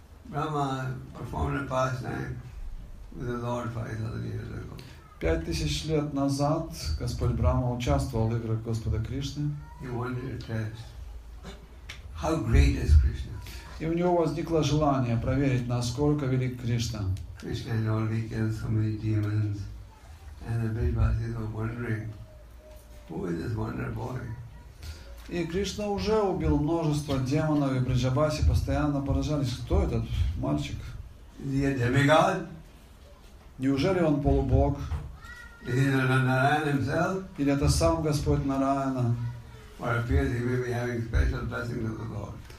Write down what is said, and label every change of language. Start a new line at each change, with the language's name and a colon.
English: Брахма performed a pastime with the Lord 5,000 years ago.
Russian: 5000 лет назад Господь Брахма участвовал в играх Господа Кришны.
English: He wanted a test. How great is Krishna?
Russian: И у него возникло желание проверить, насколько велик Кришна.
English: Krishna had already killed so many demons, and the Vrijvasis were wondering, who is this wonder boy?
Russian: И Кришна уже убил множество демонов, и Вриджабаси постоянно поражались, кто этот мальчик?
English: Is he a demigod?
Russian: Неужели он полубог?
English: Is he Narayana himself?
Russian: Или это сам Господь Нараяна?
English: Or appears he may be having special blessings of the Lord.